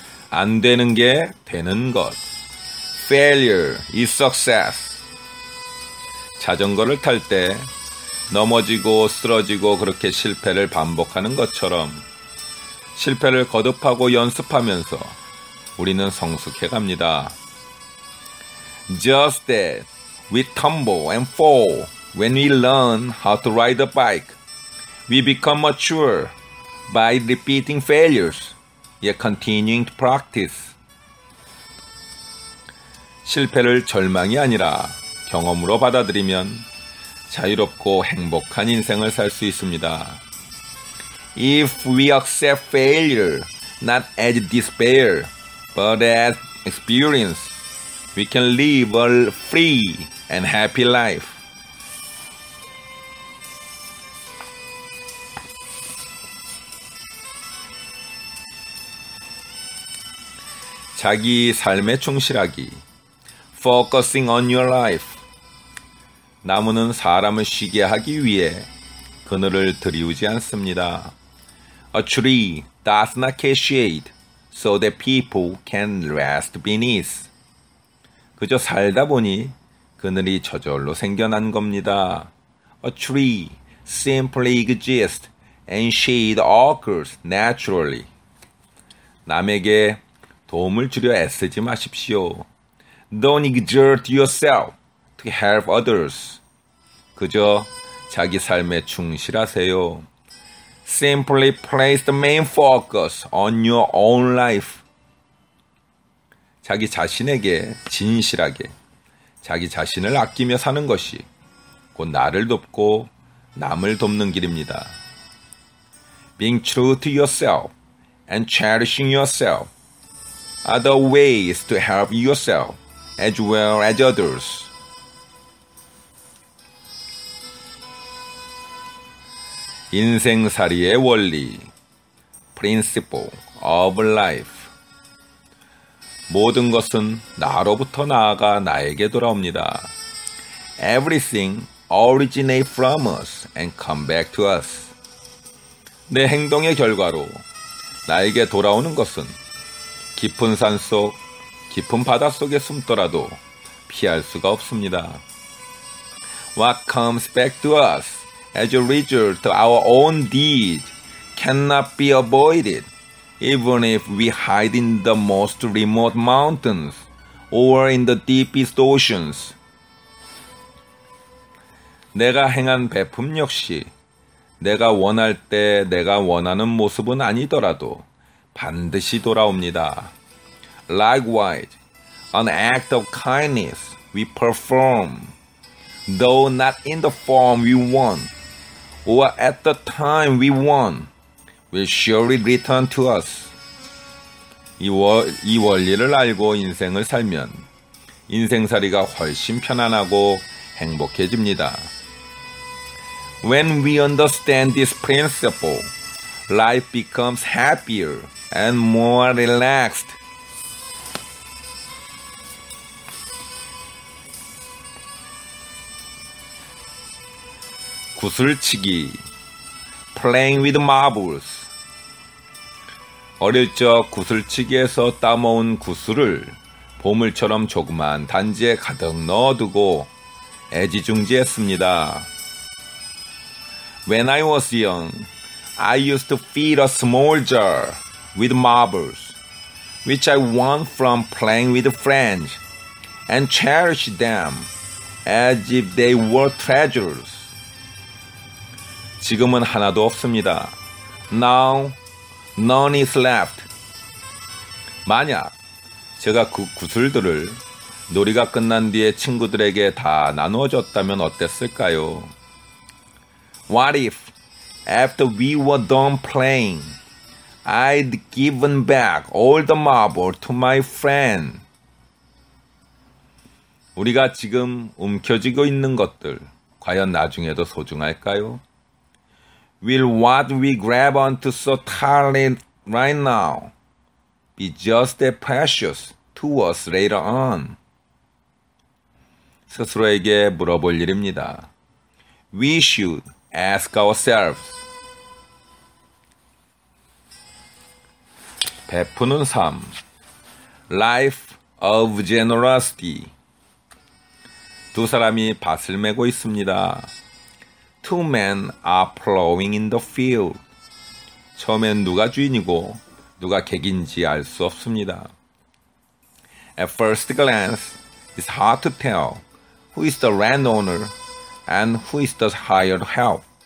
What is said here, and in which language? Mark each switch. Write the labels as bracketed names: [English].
[Korean] 안 되는 게 되는 것. [English] Failure is success. [Korean] 자전거를 탈 때 넘어지고 쓰러지고 그렇게 실패를 반복하는 것처럼 실패를 거듭하고 연습하면서 우리는 성숙해갑니다. [English] Just that we tumble and fall when we learn how to ride a bike. We become mature by repeating failures, yet continuing to practice. [Korean] 실패를 절망이 아니라 경험으로 받아들이면 자유롭고 행복한 인생을 살 수 있습니다. [English] If we accept failure not as despair, but as experience, we can live a free and happy life. [Korean] 자기 삶에 충실하기. [English] Focusing on your life. [Korean] 나무는 사람을 쉬게 하기 위해 그늘을 들이우지 않습니다. [English] A tree does not cast shade so that people can rest beneath. [Korean] 그저 살다 보니 그늘이 저절로 생겨난 겁니다. [English] A tree simply exists and shade occurs naturally. [Korean] 남에게 도움을 주려 애쓰지 마십시오. [English] Don't exert yourself to help others. [Korean] 그저 자기 삶에 충실하세요. [English] Simply place the main focus on your own life. [Korean] 자기 자신에게 진실하게 자기 자신을 아끼며 사는 것이 곧 나를 돕고 남을 돕는 길입니다. [English] Being true to yourself and cherishing yourself are the ways to help yourself as well as others. [Korean] 인생살이의 원리, [English] Principle of Life. [Korean] 모든 것은 나로부터 나아가 나에게 돌아옵니다. [English] Everything originates from us and comes back to us. [Korean] 내 행동의 결과로 나에게 돌아오는 것은 깊은 산 속, 깊은 바다 속에 숨더라도 피할 수가 없습니다. [English] What comes back to us? As a result, our own deed cannot be avoided, even if we hide in the most remote mountains or in the deepest oceans. [Korean] 내가 행한 배품 역시 내가 원할 때 내가 원하는 모습은 아니더라도 반드시 돌아옵니다. [English] Likewise, an act of kindness we perform, though not in the form we want, or at the time we want, will surely return to us. [Korean] 이 원리를 알고 인생을 살면 인생살이가 훨씬 편안하고 행복해집니다. [English] When we understand this principle, life becomes happier and more relaxed. [Korean] 구슬치기, [English] playing with marbles. [Korean] 어릴 적 구슬치기에서 따모은 구슬을 보물처럼 조그만 단지에 가득 넣어두고 애지중지했습니다. [English] When I was young, I used to fill a small jar with marbles, which I won from playing with friends, and cherish them as if they were treasures. [Korean] 지금은 하나도 없습니다. [English] Now, none is left. [Korean] 만약 제가 그 구슬들을 놀이가 끝난 뒤에 친구들에게 다 나누어 줬다면 어땠을까요? [English] What if, after we were done playing, I'd given back all the marble to my friend? [Korean] 우리가 지금 움켜쥐고 있는 것들, 과연 나중에도 소중할까요? [English] Will what we grab onto so tightly right now be just as precious to us later on? [Korean] 스스로에게 물어볼 일입니다. [English] We should ask ourselves. [Korean] 베푸는 삶. [English] Life of generosity. [Korean] 두 사람이 밭을 메고 있습니다. [English] Two men are plowing in the field. [Korean] 처음엔 누가 주인이고 누가 객인지 알 수 없습니다. [English] At first glance, it's hard to tell who is the landowner and who is the hired help.